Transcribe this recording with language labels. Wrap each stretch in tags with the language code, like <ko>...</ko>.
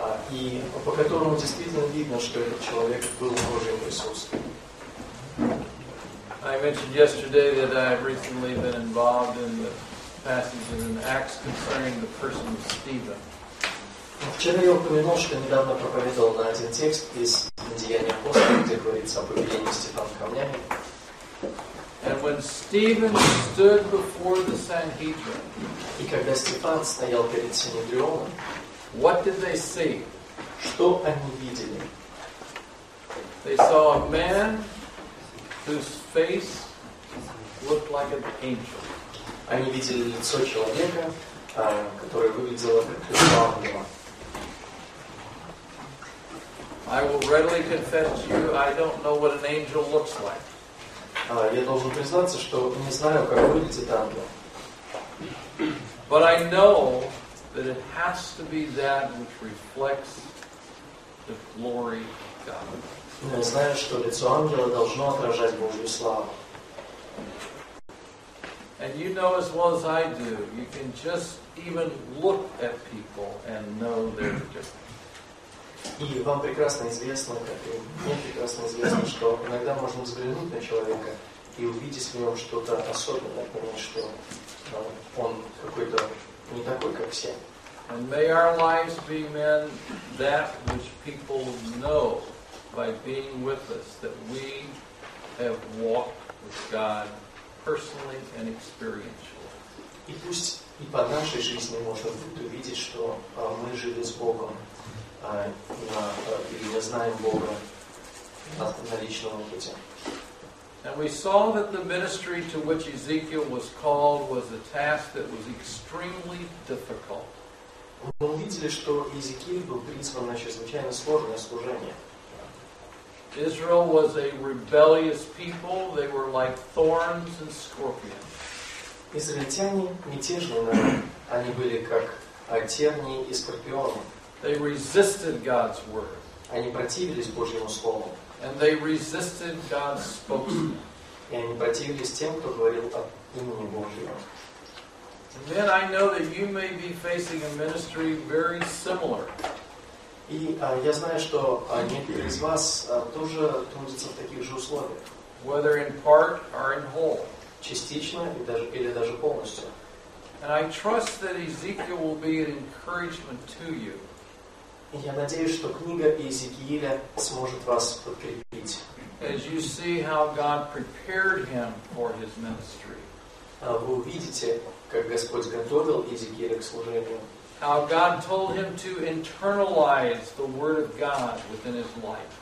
<ru>И по которому действительно видно, что этот человек был в Божьем присутствии.</ru> <en>I mentioned yesterday that I have recently been involved in the passage in Acts concerning the person of Stephen.</en> <ru>Вчера я упомянул, что недавно проповедовал на один текст из Деяния апостолов, где говорится о поведении Стефана камнями.</ru> <en>And when Stephen stood before the Sanhedrin,</en> <ru>и когда Стефан стоял перед Синедрионом,</ru> <en>what did they see?</en> <ru>Что они видели?</ru> <en>They saw a man whose face looked like an angel.</en> <ru>Они видели лицо человека, которое выглядело как лицо ангела.</ru> <en>I will readily confess to you, I don't know what an angel looks like.</en> <ru>Я должен признаться, что не знаю, как выглядит ангел.</ru> <en>But I know that it has to be that which reflects the glory of God.</en> <ru>Но я знаю, что лицо ангела должно отражать Божью славу.</ru> <en>And you know as well as I do, you can just even look at people and know their difference.</en> <ru>И вам прекрасно известно, как и мне прекрасно известно, что иногда можно взглянуть на человека и увидеть в нем что-то особенное, потому что он какой-то не такой, как все.</ru> <en>And may our lives be men that which people know by being with us, that we have walked with God personally and experientially.</en> <ru>И пусть и по нашей жизни можно будет увидеть, что мы жили с Богом. Или я знаю Бога на личном опыте.</ru> <en>And we saw that the ministry to which Ezekiel was called was a task that was extremely difficult.</en> <ru>Мы увидели, что Иезекииль был призван на чрезвычайно сложное служение.</ru> <en>Israel was a rebellious people. They were like thorns and scorpions.</en> <ru>Израильтяне мятежные народы. Они были как тернии и скорпионы.</ru> <en>They resisted God's word.</en> <ru>Они противились Божьему слову.</ru> <en>And they resisted God's spokesman.</en> <ru>И они противились тем, кто говорил от имени Божьего.</ru> <en>And then I know that you may be facing a ministry very similar.</en> <ru>И я знаю, что некоторые из вас тоже трудятся в таких же условиях.</ru> <en>Whether in part or in whole.</en> <ru>Частично или даже полностью.</ru> <en>And I trust that Ezekiel will be an encouragement to you.</en> <ru>И я надеюсь, что книга Иезекииля сможет вас подкрепить.</ru> <en>As you see how God prepared him for his ministry.</en> <ru>Вы увидите, как Господь готовил Иезекииля к служению.</ru> <en>How God told him to internalize the Word of God within his life.</en>